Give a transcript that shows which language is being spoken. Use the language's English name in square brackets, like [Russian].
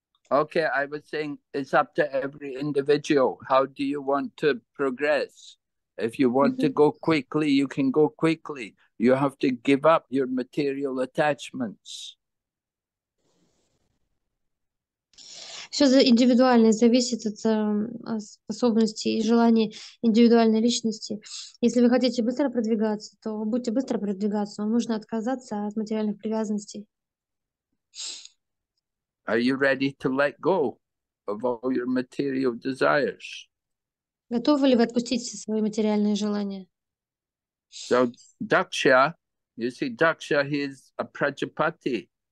[English] Okay, I was saying it's up to every individual. How do you want to progress? If you want to go quickly, you can go quickly. You have to give up your material attachments. [Russian] Все индивидуально зависит от способностей и желаний индивидуальной личности. Если вы хотите быстро продвигаться, то будьте быстро продвигаться. Вам нужно отказаться от материальных привязанностей. [English] Are you ready to let go of all your material desires? [Russian] Готовы ли вы отпустить все свои материальные желания? [English] So Daksha, you see, Daksha, he is a prajapati.